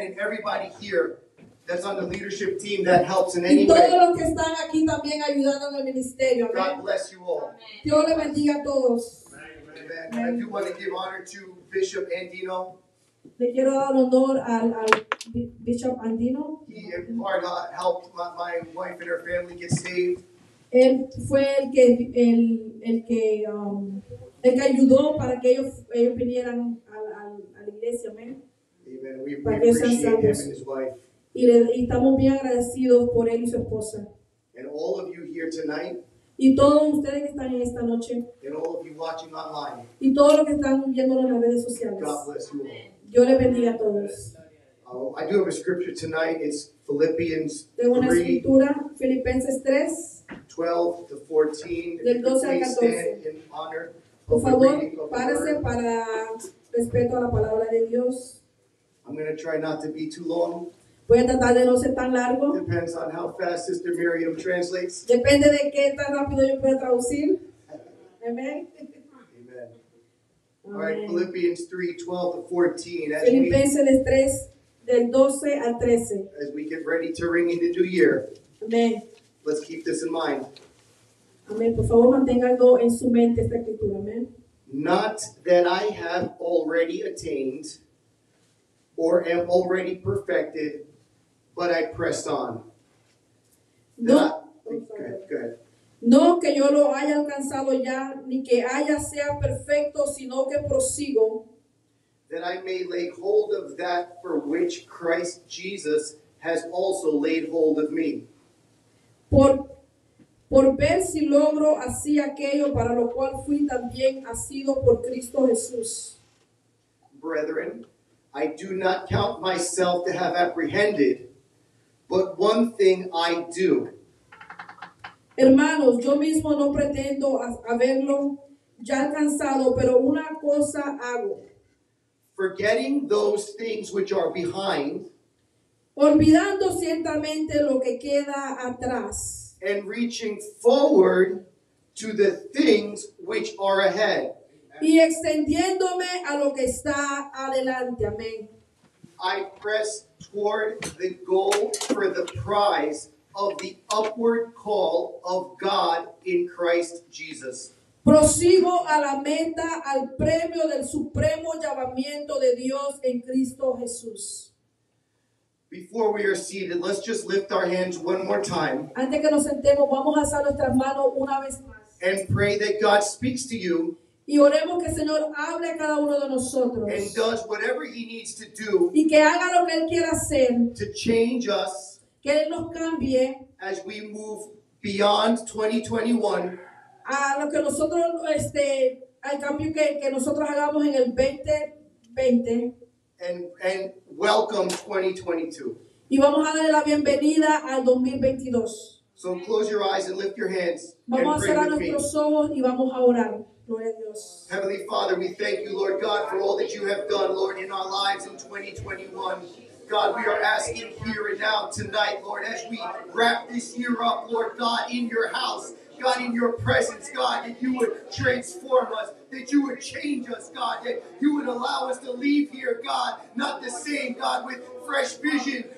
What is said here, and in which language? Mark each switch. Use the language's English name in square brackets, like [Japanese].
[English] And everybody here that's on the leadership team that helps in any [Spanish] y todos [English] way. [Spanish] Los que están aquí también ayudando en el ministerio. [English] God amen. Bless you all. [Spanish] Dios le bendiga a todos. [English] Amen. Amen. I do want to give honor to Bishop Andino. [Spanish] Le quiero dar honor al Bishop Andino. [English] He in part helped my wife and her family get saved. [Spanish] Él fue el que ayudó para que ellos vinieran a la iglesia. [English] Amen. Amen. We appreciate him and his wife. [Spanish] Y estamos bien agradecidos por él y su esposa. [English] And all of you here tonight. [Spanish] Y todos ustedes que están en esta noche. [English] And all of you watching online. [Spanish] Y todos los que están viendo en las redes sociales. [English] God bless you all. [Spanish] Yo les bendiga a todos. [English] I do have a scripture tonight. It's Philippians 3. [Spanish] Tengo una escritura, Filipenses 3. [English] 12 to 14. [Spanish] Del 12 al 14. [English] Honor [Spanish] por favor, párese para respeto a la palabra de Dios. [English] I'm going to try not to be too long. [Spanish] Voy a tratar de no ser tan largo. [English] Depends on how fast Sister Miriam translates. [Spanish] Depende de qué tan rápido yo pueda traducir. [English] Amen. Amen. All right, Philippians 3, 12 to 14. [Spanish] Filipenses 3, del 12 al 13. [English] As we get ready to ring in the new year. Amen. Let's keep this in mind. Amen. [Spanish] Por favor, manténgalo en su mente esta escritura. Amen. [English] Not that I have already attained or am already perfected, but I press on. [Spanish] No, [English] good. [Spanish] No que yo lo haya alcanzado ya, ni que haya sea perfecto, sino que prosigo. [English] That I may lay hold of that for which Christ Jesus has also laid hold of me. [Spanish] Por ver si logro así aquello para lo cual fui también asido por Cristo Jesús. [English] Brethren, I do not count myself to have apprehended, but one thing I do. [Spanish] Hermanos, yo mismo no pretendo haberlo ya alcanzado, pero una cosa hago. [English] Forgetting those things which are behind. [Spanish] Olvidando ciertamente lo que queda atrás. [English] And reaching forward to the things which are ahead. [Spanish] Y extendiéndome a lo que está adelante. Amén. [English] I press toward the goal for the prize of the upward call of God in Christ Jesus. [Spanish] Prosigo a la meta, al premio del supremo llamamiento de Dios en Cristo Jesús. [English] Before we are seated, let's just lift our hands one more time. [Spanish] Antes que nos sentemos, vamos a alzar nuestras manos una vez más. [English] And pray that God speaks to you. [Spanish] Y oremos que el Señor hable a cada uno de nosotros. [English] And does whatever he needs to do. [Spanish] Y que haga lo que él quiera hacer. [English] To change us. [Spanish] Que él nos cambie. [English] As we move beyond 2021. [Spanish] A lo que nosotros, al cambio que nosotros hagamos en el 2020. [English] And welcome 2022. [Spanish] Y vamos a darle la bienvenida al 2022. [English] So close your eyes and lift your hands. [Spanish] Vamos [English] and [Spanish] a cerrar nuestros ojos y vamos a orar. [English] Heavenly Father, we thank you, Lord God, for all that you have done, Lord, in our lives in 2021. God, we are asking here and now tonight, Lord, as we wrap this year up, Lord God, in your house, God, in your presence, God, that you would transform us, that you would change us, God, that you would allow us to leave here, God, not the same, God, with fresh vision,